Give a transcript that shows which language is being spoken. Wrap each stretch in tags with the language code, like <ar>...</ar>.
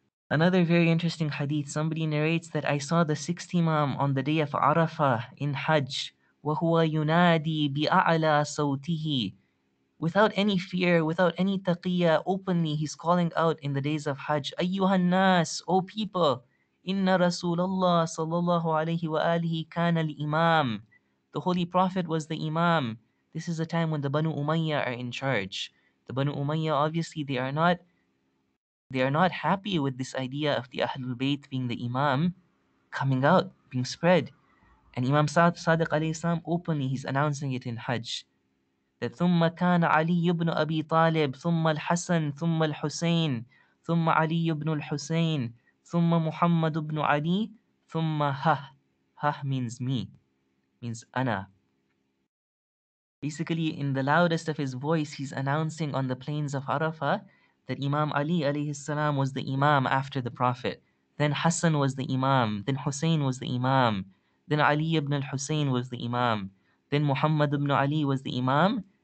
<en>Another very interesting hadith. Somebody narrates that I saw the sixth Imam on the day of Arafah in Hajj.</en> <ar>وَهُوَ يُنَادِي بِأَعْلَى صَوْتِهِ.</ar> <en>Without any fear, without any taqiyah, openly he's calling out in the days of Hajj.</en> <ar>أَيُّهَا النَّاسِ,</ar> <en>O people,</en> <ar>إِنَّ رَسُولَ اللَّهِ صَلَّى اللَّهُ عَلَيْهِ وَآلِهِ كَانَ الْإِمَامِ.</ar> <en>The Holy Prophet was the Imam. This is a time when the Banu Umayyah are in charge. The Banu Umayyah, obviously, they are not happy with this idea of the Ahlul Bayt being the Imam coming out, being spread. And Imam Sadiq alayhi salam, openly he's announcing it in Hajj.</en> <ar>That ثُمَّ كَانَ عَلِيُّ بْنُ أَبِي طَالِبِ ثُمَّ الْحَسَنِ ثُمَّ الْحُسَيْنِ ثُمَّ عَلِيُّ بْنُ الْحُسَيْنِ ثُمَّ مُحَمَّدُ بْنُ عَلِي ثُمَّ هَهْ</ar> <en>means me, means</en> <ar>أَنَا.</ar> <en>Basically, in the loudest of his voice, he's announcing on the plains of Arafah that Imam Ali alayhi salam was the Imam after the Prophet. Then Hassan was the Imam. Then Hussein was the Imam. Then Ali ibn al-Hussein was the Imam. Then Muhammad ibn Ali was the Imam.</en>